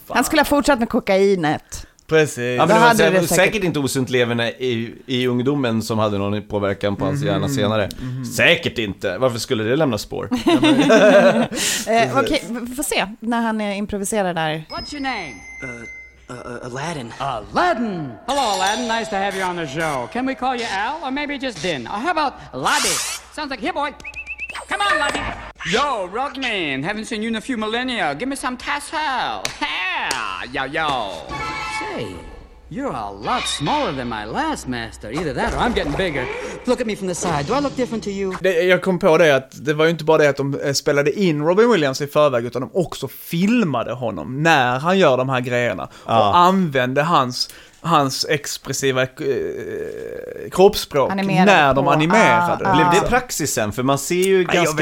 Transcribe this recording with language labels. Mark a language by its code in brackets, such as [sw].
[sv] Han skulle ha fortsatt med kokainet. Precis. Ja, men det var säkert inte osunt levande i ungdomen som hade någon påverkan på hans hjärna senare. Säkert inte. Varför skulle det lämna spår? Okej, vi får se när han improviserar där. [en] What's your name? Aladdin. Aladdin. Hello Aladdin, nice to have you on the show. Can we call you Al or maybe just Din? Or how about Laddy? Sounds like here boy. Come on, Laddy. Yo, Rockman, haven't seen you in a few millennia. Give me some tassel. Yo, yo. Say, you're a lot smaller than my last master. Either that or I'm getting bigger. Look at me from the side. Do I look different to you? [sv] Jag kom på det att det var ju inte bara det att de spelade in Robin Williams i förväg, utan de också filmade honom när han gör de här grejerna. Ja. Och använde hans expressiva kroppsspråk när de animerade. Blev det praxis sen? För man ser ju ganska...